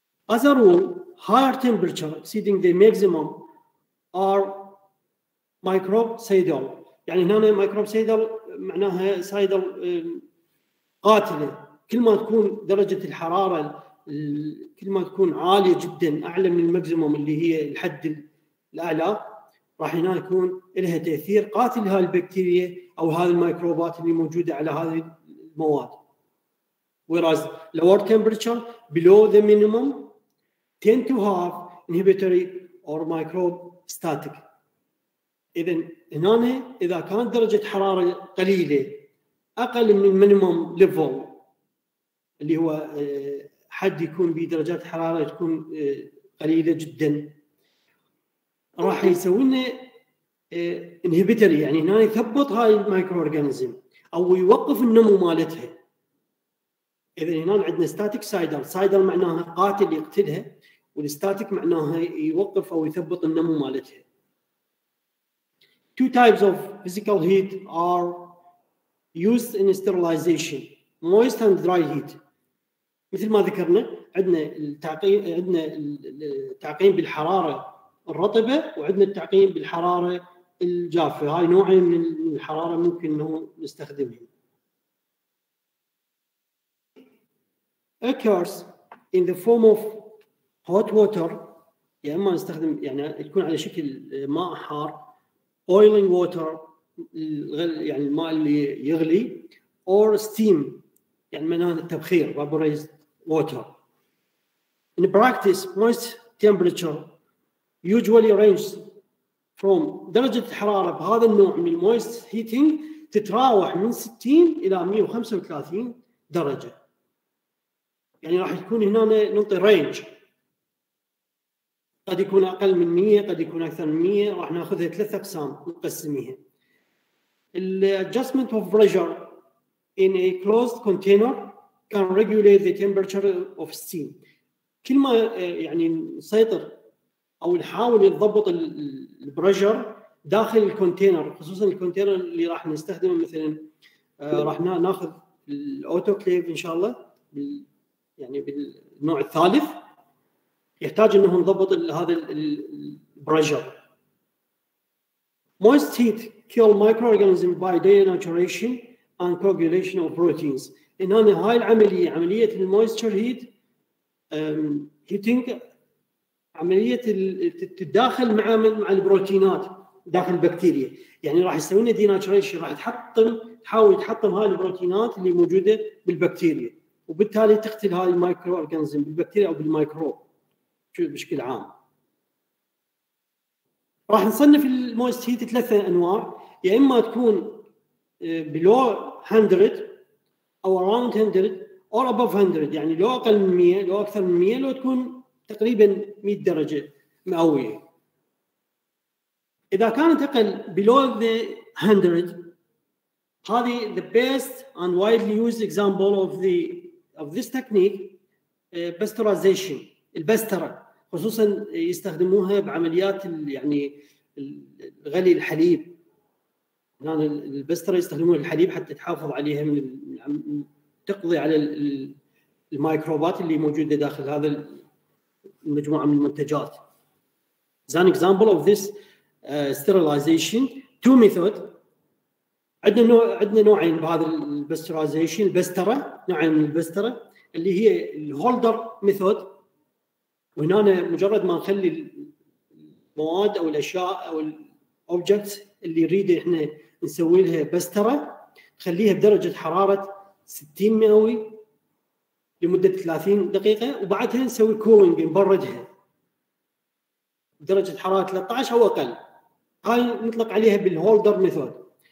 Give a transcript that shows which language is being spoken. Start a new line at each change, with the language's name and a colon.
English: As a rule, higher temperature exceeding the maximum are microbicidal،
Arabic: يعني هنا microbicidal معناها سايدل قاتلة، كل ما تكون درجة الحرارة كل ما تكون عالية جدا أعلى من الماكسيموم اللي هي الحد الأعلى، راح هنا يكون لها تأثير قاتل هاي البكتيريا أو هذه الميكروبات اللي موجودة على هذه المواد.
English: Whereas lower temperature below the minimum tend to have inhibitory or microstatic.
Arabic: إذن هنا إذا كانت درجة حرارة قليلة أقل من المينيموم ليفل اللي هو حد يكون بدرجات حرارة تكون قليلة جدا، راح يسوي لنا انهبيتري، يعني هنا يثبط هاي المايكرو أورجانيزم أو يوقف النمو مالتها. إذن هنا عندنا ستاتيك سايدر، سايدر معناها قاتل يقتلها، والستاتيك معناها يوقف أو يثبط النمو مالتها.
English: Two types of physical heat are used in sterilization: moist and dry heat.
Arabic: مثل ما ذكرنا عندنا التعقيم، عندنا التعقيم بالحرارة الرطبة وعندنا التعقيم بالحرارة الجافة، هاي نوعين من الحرارة ممكن نستخدمها.
English: Occurs in the form of hot water،
Arabic: يعني ما نستخدم يعني يكون على شكل ماء حار.
English: Boiling water،
Arabic: يعني الماء اللي يغلي،
English: or steam،
Arabic: يعني من هذا التبخير
English: vaporized water. In practice, moist temperature usually ranges from
Arabic: درجة الحرارة بهذا النوع من moist heating تتراوح من 60 إلى 135 درجة. يعني راح يكون هنا ننطي range. قد يكون أقل من 100، قد يكون أكثر من 100، راح نأخذها ثلاثة أقسام نقسميها.
English: Adjustment of pressure in a closed container can regulate the temperature of steam.
Arabic: كل ما يعني نسيطر أو نحاول نضبط البريشر داخل الكونتينر، خصوصا الكونتينر اللي راح نستخدمه مثلا راح نأخذ الأوتوكليف إن شاء الله يعني بالنوع الثالث، يحتاج انه نضبط هذا البريشر.
English: Moist heat kill microorganisms by denaturation and coagulation of proteins.
Arabic: إنهم هاي العملية عملية المويستر هيت هيتينج عملية التداخل مع البروتينات داخل البكتيريا، يعني راح يسوي لنا ديناتوريشن، راح تحاول تحطم هاي البروتينات اللي موجودة بالبكتيريا، وبالتالي تقتل هاي المايكرو أورجانزم بالبكتيريا أو بالمايكروب بشكل عام. راح نصنف المويست هيت ثلاثة أنواع، يا إما تكون بلو 100 أو
English: around 100
Arabic: أو
English: above 100،
Arabic: يعني لو أقل من 100 لو أكثر من 100 لو تكون تقريبا 100 درجة مئوية. إذا كانت أقل
English: below the 100
Arabic: هذه
English: the best and widely used example of the of this technique pasteurization
Arabic: البسترة، خصوصا يستخدموها بعمليات يعني غلي الحليب. هنا البسترة يستخدمون الحليب حتى تحافظ عليها من تقضي على الميكروبات اللي موجودة داخل هذا المجموعة من المنتجات.
English: As an example of this sterilization, two method.
Arabic: عندنا نوعين بهذا البسترايزيشن، البسترة نوعين من البسترة اللي هي الهولدر ميثود، وهنا مجرد ما نخلي المواد أو الأشياء أو الأوبجكت اللي نريد إحنا نسوي لها بسترة خليها بدرجة حرارة 60 مئوي لمدة 30 دقيقة، وبعدها نسوي كولينج نبردها بدرجة حرارة 13 أو أقل، هاي نطلق عليها بالهولدر ميثود.